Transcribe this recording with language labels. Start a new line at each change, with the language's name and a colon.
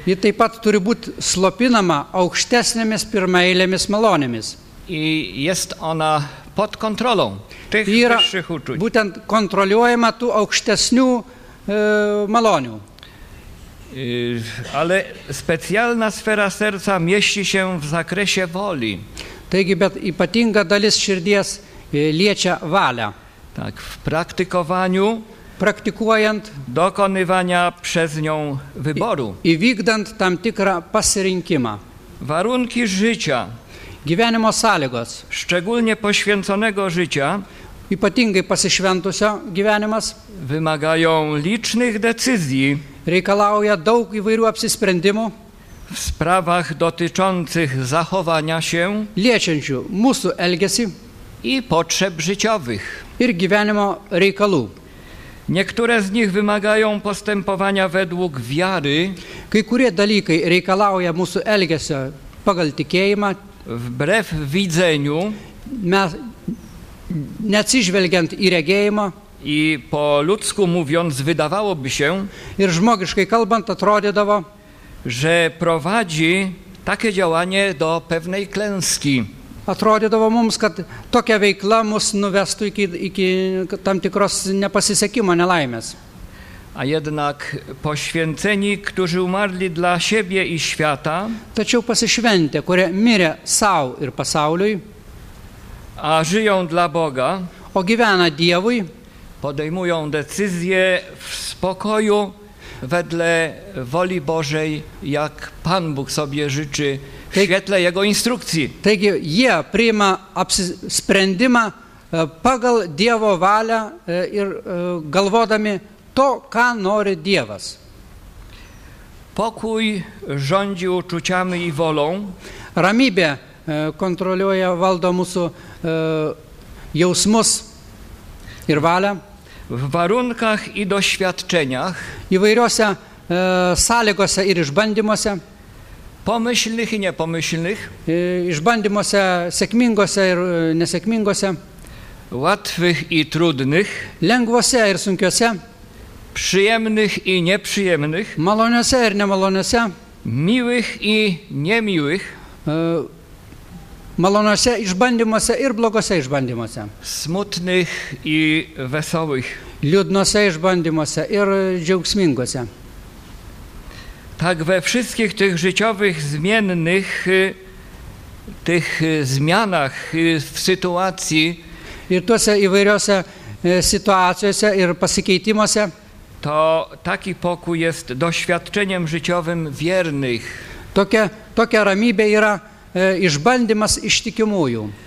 Lithuanian: I taip pat turi būti slopinama aukštesnėmis pirmaeilėmis malonėmis.
Polish: I jest ona pod kontrolą tych wyższych uczuć.
Lithuanian: Būtent kontroliuojama tų aukštesnių malonių.
Polish: Ale specjalna sfera serca mieści się w zakresie woli.
Lithuanian: Taigi, bet ypatinga dalis širdies liečia valią.
Polish: Tak, w praktykowaniu,
Lithuanian: praktikuojant,
Polish: dokonywania przez nią wyboru.
Lithuanian: I vykdant tam tikrą pasirinkimą.
Polish: Warunki życia,
Lithuanian: gyvenimo sąlygos,
Polish: szczególnie poświęconego życia,
Lithuanian: ypatingai pasišventusio gyvenimas,
Polish: wymagają licznych decyzji,
Lithuanian: reikalauja daug įvairių apsisprendimų
Polish: w sprawach dotyczących zachowania się,
Lithuanian: liečiančių mūsų elgesį
Polish: i potrzeb życiowych
Lithuanian: ir gyvenimo reikalų.
Polish: Niektóre z nich wymagają postępowania według wiary,
Lithuanian: kai kurie dalykai reikalauja mūsų elgesio pagal tikėjimą,
Polish: wbrew widzeniu,
Lithuanian: mes neatsižvelgiant į regėjimą.
Polish: I po ludzku mówiąc, wydawałoby się,
Lithuanian: ir žmogiškai kalbant, atrodydavo,
Polish: że prowadzi takie działanie do pewnej klęski.
Lithuanian: Atrodydavo mums, kad tokia veikla mus nuvestų iki tam tikros nepasisekimo, nelaimės.
Polish: A jednak poświęceni, którzy umarli dla siebie i świata.
Lithuanian: Tačiau pasišventę, kurie mirė sau ir pasauliui.
Polish: A żyją dla Boga.
Lithuanian: O gyvena Dievui.
Polish: Podejmują decyzje w spokoju wedle woli Bożej, jak Pan Bóg sobie życzy, w świetle Jego instrukcji.
Lithuanian: Taigi jie priima sprendimą pagal Dievo valią ir galvodami to, ką nori Dievas.
Polish: Pokój rządzi uczuciami i wolą.
Lithuanian: Ramybė kontroliuoja, valdo mūsų jausmus ir valią.
Polish: W warunkach i doświadczeniach.
Lithuanian: Įvairiose sąlygose ir išbandymuose.
Polish: Pomyślnych i niepomyślnych.
Lithuanian: Išbandymuose sėkmingose ir nesėkmingose.
Polish: Łatwych i trudnych.
Lithuanian: Lengvose ir sunkiose.
Polish: Przyjemnych i nieprzyjemnych.
Lithuanian: Maloniose ir nemaloniose.
Polish: Miłych i niemiłych.
Lithuanian: Maloniose išbandymuose ir blogose išbandymuose.
Polish: Smutnych i wesołych.
Lithuanian: Liūdnose išbandymuose ir džiaugsmingose.
Polish: Tak we wszystkich tych życiowych zmiennych, tych zmianach w sytuacji.
Lithuanian: Ir tuose įvairiose situacijose ir pasikeitimuose.
Polish: To taki pokój jest doświadczeniem życiowym wiernych.
Lithuanian: Tokia ramybė yra išbandymas ištikimųjų.